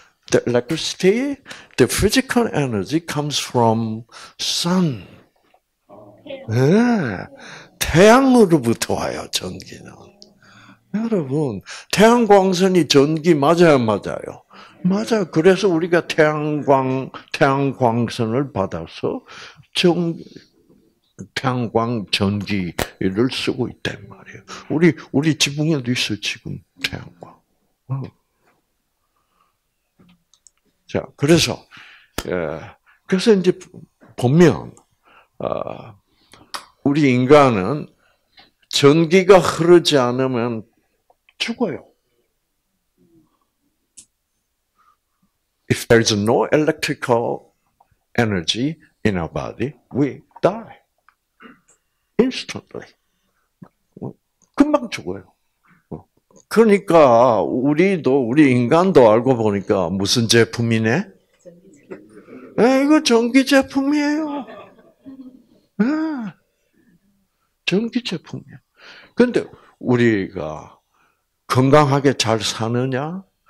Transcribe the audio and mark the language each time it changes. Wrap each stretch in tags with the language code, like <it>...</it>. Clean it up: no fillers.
<en>The electricity, the physical energy comes from sun.</en> <ko>네. 태양으로부터 와요, 전기는. 여러분, 태양광선이 전기 맞아요, 맞아요. 맞아. 그래서 우리가 태양광선을 받아서 태양광 전기를 쓰고 있단 말이에요. 우리 지붕에도 있어 지금 태양광. 자, 그래서 그래서 이제 보면 우리 인간은 전기가 흐르지 않으면 죽어요.</ko> <en>If there is no electrical energy in our body, we die instantly.</en> <ko>금방 죽어요. 그러니까 우리 인간도 알고 보니까 무슨 제품이네? 이거 전기 제품이에요. 전기 제품이야. 그런데 우리가 건강하게 잘 사느냐?</ko>